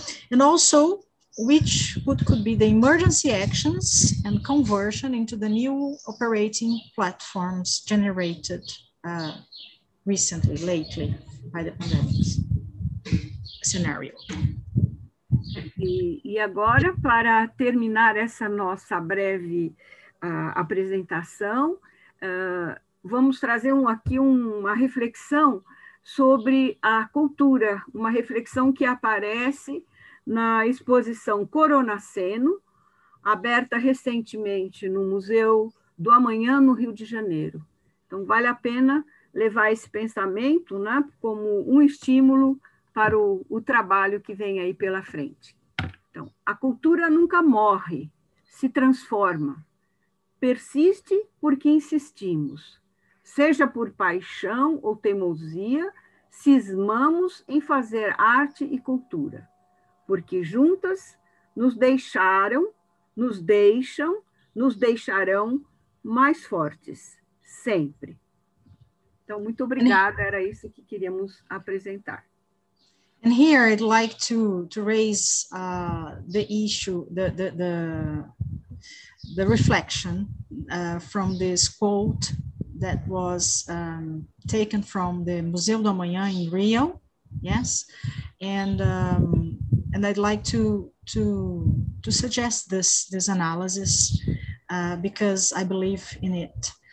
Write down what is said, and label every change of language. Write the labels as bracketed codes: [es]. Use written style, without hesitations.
[en] And also, could be the emergency actions and conversion into the new operating platforms generated lately by the pandemic scenario. [pt] E agora, para terminar essa nossa breve apresentação, vamos trazer uma reflexão sobre a cultura, uma reflexão que aparece na exposição Coronaceno, aberta recentemente no Museu do Amanhã, no Rio de Janeiro. Então, vale a pena levar esse pensamento, né, como um estímulo para o trabalho que vem aí pela frente. Então, a cultura nunca morre, se transforma. Persiste porque insistimos. Seja por paixão ou teimosia, cismamos em fazer arte e cultura, porque juntas nos deixarão mais fortes, sempre. Então, muito obrigada, era isso que queríamos apresentar. [en] And here I'd like to raise the issue, the reflection from this quote that was taken from the Museu do Amanhã in Rio, yes, and I'd like to suggest this analysis because I believe in it.